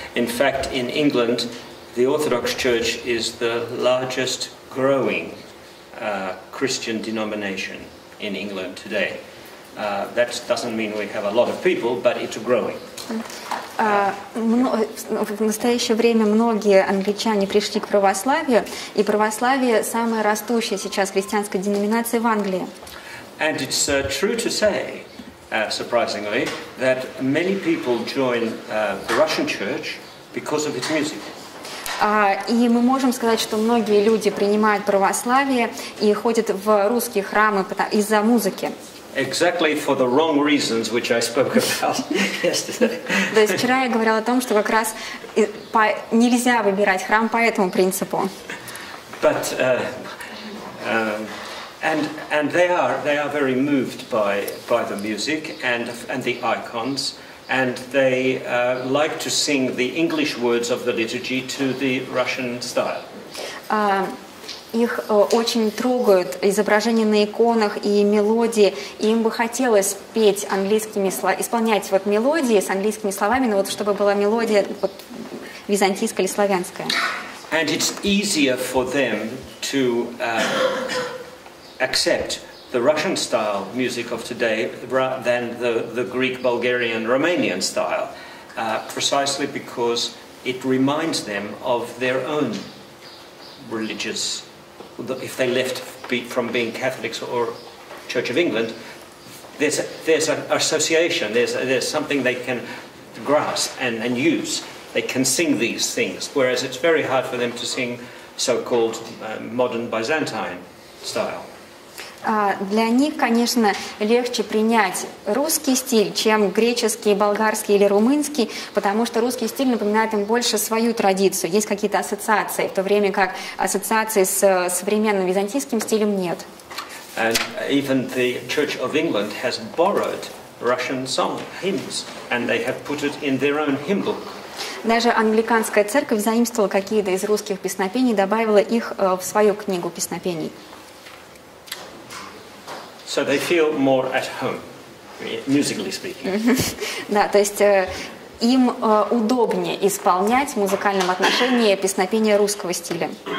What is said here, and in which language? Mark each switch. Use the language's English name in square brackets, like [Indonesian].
[English] In fact, in England, the Orthodox Church is the largest growing Christian denomination in England today. That doesn't mean we have a lot of people, but it's growing. [Russian] В настоящее время многие англичане пришли к православию, и православие – самая растущая сейчас христианская деноминация в Англии. [English] And it's true to say, surprisingly, that many people join the Russian church because of its music. [Russian] И мы можем сказать, что многие люди принимают православие и ходят в русские храмы из-за музыки. [English] Exactly for the wrong reasons, which I spoke about yesterday. [Russian] То есть вчера я говорила о том, что как раз нельзя выбирать храм по этому принципу. [English] But and they are very moved by the music and the icons, and they like to sing the English words of the liturgy to the Russian style. [Russian] Их очень трогают изображения на иконах и мелодии, и им бы хотелось петь английскими словами, исполнять вот мелодии с английскими словами, но вот чтобы была мелодия вот византийская или славянская. [English] And it's easier for them to accept the Russian style music of today than the Greek, Bulgarian, Romanian style, precisely because it reminds them of their own religious. If they left from being Catholics or Church of England, there's an association, there's something they can grasp and use. They can sing these things, whereas it's very hard for them to sing so-called modern Byzantine style. [Russian] Для них, конечно, легче принять русский стиль, чем греческий, болгарский или румынский, потому что русский стиль напоминает им больше свою традицию. Есть какие-то ассоциации, в то время как ассоциаций с современным византийским стилем нет. [English] And even the Church of England has borrowed Russian song hymns, and they have put it in their own hymn book. [Russian] Даже англиканская церковь заимствовала какие-то из русских песнопений, добавила их в свою книгу песнопений. [English] So they feel more at home, musically speaking. [Russian] Да, то есть им удобнее исполнять в музыкальном отношении песнопения русского стиля.